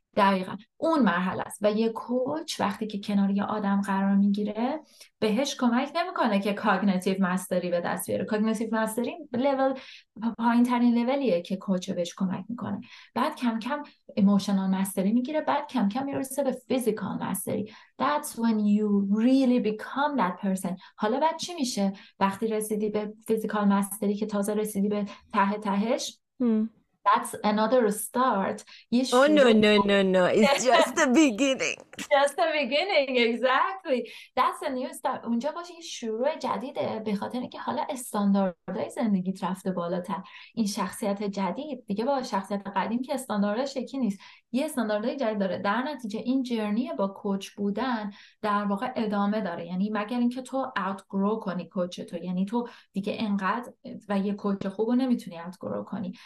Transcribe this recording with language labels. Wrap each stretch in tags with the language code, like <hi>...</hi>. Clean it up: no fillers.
<fa>دقیقا اون مرحله است. و یه کوچ وقتی که کنار یه آدم قرار میگیره بهش کمک نمیکنه که کاگنیتیو مستری به دست بیاره. کاگنیتیو مستری لول پایین ترین لولیه که کوچ بهش کمک میکنه. بعد کم کم ایموشنال مستری میگیره، بعد کم کم میرسه به فیزیکال مستری.</fa> <en>That's when you really become that person.</en> <fa>حالا بعد چی میشه وقتی رسیدی به فیزیکال مستری که تازه رسیدی به ته تهش؟</fa> <en>That's another start. No. It's just the beginning. Just the beginning, exactly. That's a new start.</en> <fa>اونجا باشه یه شروع جدیده، به خاطر اینکه حالا استانداردهای زندگیت رفته بالاتر. این شخصیت جدید دیگه با شخصیت قدیم که استانداردش یکی نیست. یه استانداردهای جدید داره. در نتیجه این جرنی با کوچ بودن در واقع ادامه داره. یعنی مگر اینکه تو outgrow کنی کوچ تو، یعنی تو دیگه انقدر و یه کوچ خوبو نمیتونی outgrow کنی.</fa>